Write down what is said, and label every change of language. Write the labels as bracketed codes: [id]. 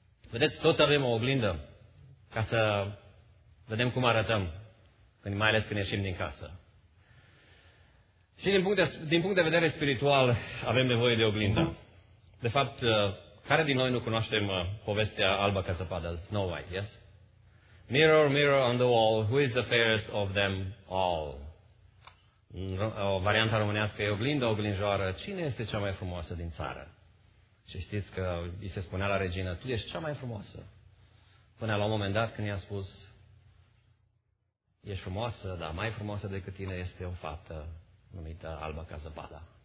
[ro] Vedeți, tot avem o oglindă ca să vedem cum arătăm, mai ales când ieșim din casă. Și din punct de vedere spiritual avem nevoie de oglindă. De fapt, care din noi nu cunoaștem povestea albă ca zăpadă, Snow White, yes? [en] Mirror, mirror on the wall, who is the fairest of them all? [ro] O variantă românească e oglindă, oglinjoară. Cine este cea mai frumoasă din țară? Și știți că îi se spunea la regină, tu ești cea mai frumoasă. Până la un moment dat când i-a spus, ești frumoasă, dar mai frumoasă decât tine este o fată numită Alba ca zăpada.